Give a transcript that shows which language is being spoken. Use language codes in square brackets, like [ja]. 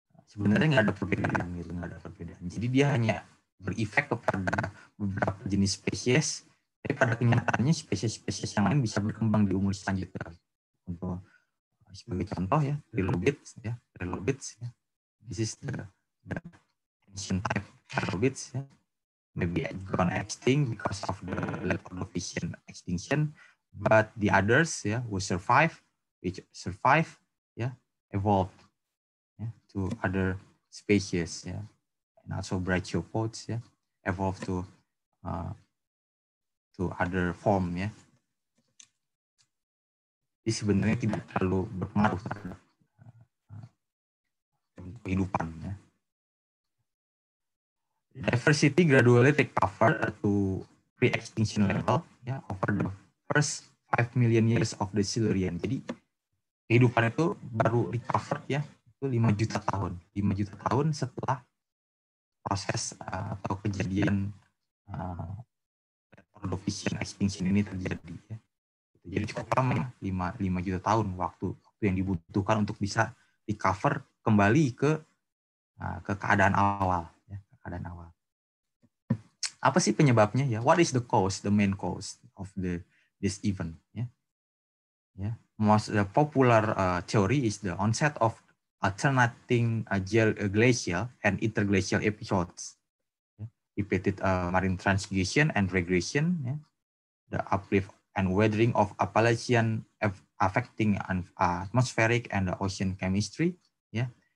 [id] Sebenarnya nggak ada perbedaan gitu, nggak ada perbedaan. Jadi dia hanya berefek kepada beberapa jenis spesies, tapi pada kenyataannya spesies-spesies yang lain bisa berkembang di umur selanjutnya. Untuk sebagai contoh ya, trilobites, ya. [en] This is the ancient type trilobites, ya. Maybe it's gone extinct because of the late Ordovician extinction, but the others, ya, which survive, ya, evolved to other species, yeah, and also brachiopods, yeah, evolve to other form, yeah. [id] Ini sebenarnya tidak terlalu berpengaruh terhadap kehidupan, ya. [en] Diversity gradually take cover to pre-extinction level, yeah, over the first 5 million years of the Silurian. [id] Jadi kehidupan itu baru recover, ya. Yeah. Itu 5 juta tahun setelah proses atau kejadian Ordovician extinction ini terjadi, ya. Jadi cukup lama, 5 juta tahun waktu yang dibutuhkan untuk bisa recover kembali ke keadaan awal, ya, keadaan awal. Apa sih penyebabnya, ya? [en] What is the main cause of this event, ya? Ya, most popular theory is the onset of alternating glacial and interglacial episodes, yeah. Repeated marine transgression and regression, yeah. The uplift and weathering of Appalachian affecting atmospheric and the ocean chemistry, yeah.